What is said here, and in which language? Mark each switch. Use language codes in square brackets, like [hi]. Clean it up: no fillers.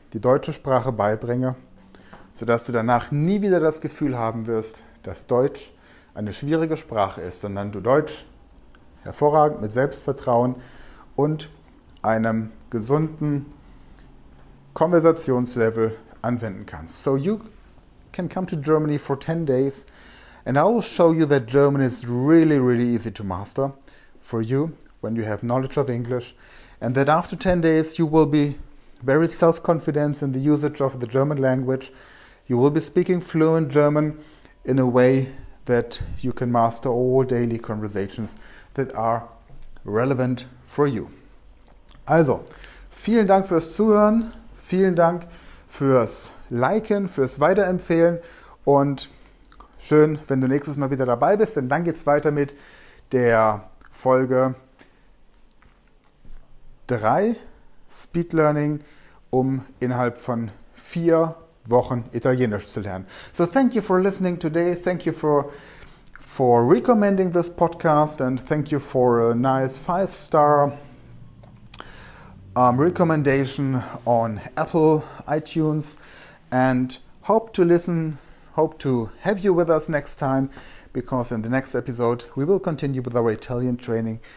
[de] die deutsche Sprache beibringe, sodass du danach nie wieder das Gefühl haben wirst, dass Deutsch eine schwierige Sprache ist, sondern du Deutsch hervorragend mit Selbstvertrauen und einem gesunden Konversationslevel anwenden kannst. [en] So you can come to Germany for 10 days and I will show you that German is really, really easy to master for you when you have knowledge of English, and that after 10 days you will be very self-confident in the usage of the German language. You will be speaking fluent German in a way that you can master all daily conversations that are relevant for you. [de] Also, vielen Dank fürs Zuhören, vielen Dank fürs Liken, fürs Weiterempfehlen und schön, wenn du nächstes Mal wieder dabei bist, denn dann geht's weiter mit der Folge 3 Speed Learning, um innerhalb von 4 Wochen Italienisch zu lernen. [en] So thank you for listening today. Thank you for recommending this podcast and thank you for a nice 5-star recommendation on Apple iTunes and hope to have you with us next time, because in the next episode we will continue with our Italian training.